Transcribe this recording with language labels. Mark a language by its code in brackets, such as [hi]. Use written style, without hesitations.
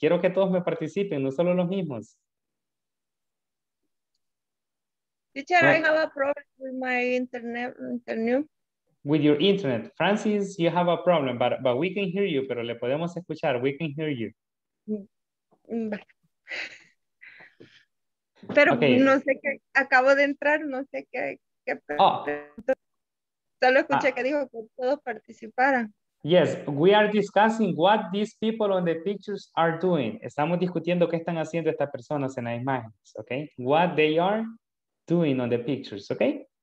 [es] Quiero que todos me participen, no solo los mismos. [en] Teacher, what? I have a problem with my internet. With your internet. Francis, you have a problem, but we can hear you, [es] pero le podemos escuchar. [en] We can hear you. [es] Pero okay. No sé qué, acabo de entrar, no sé qué. Oh. Solo escuché que dijo que todos participaran. [en] Yes, we are discussing what these people on the pictures are doing. [es] Estamos discutiendo qué están haciendo estas personas en las imágenes, okay? [en] What they are doing on the pictures, okay?